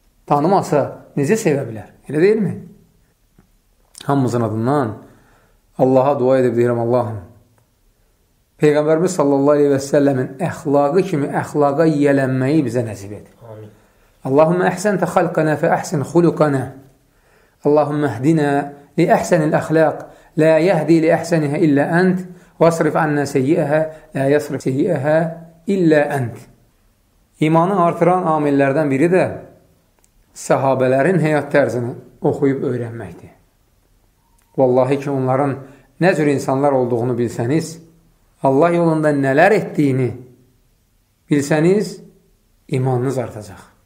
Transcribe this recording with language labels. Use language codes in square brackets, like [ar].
[az] Tanımasa necə sevə bilər? Elə deyilmi? Hamımızın adından Allaha dua edib deyirəm Allahım. Peyğəmbərimiz sallallahu aleyhi ve selləmin əxlaqı kimi əxlaqa yiyələnməyi bizə nəsib et. [ar] Allahümə əhsəntə xalqana fə əhsən xulukana. Allahümə əhdinə li əhsənil əxlaq. لا يهدي لأحسنها إلا أنت واصرف عنا سيئها لا يصرف سيئها إلا أنت. [az] İmanı artıran amillərdən biri də səhabələrin həyat tərzini oxuyub öyrənməkdir. Vallahi ki, onların nə cür insanlar olduğunu bilsəniz, Allah yolunda nələr etdiyini bilsəniz, imanınız artacaq.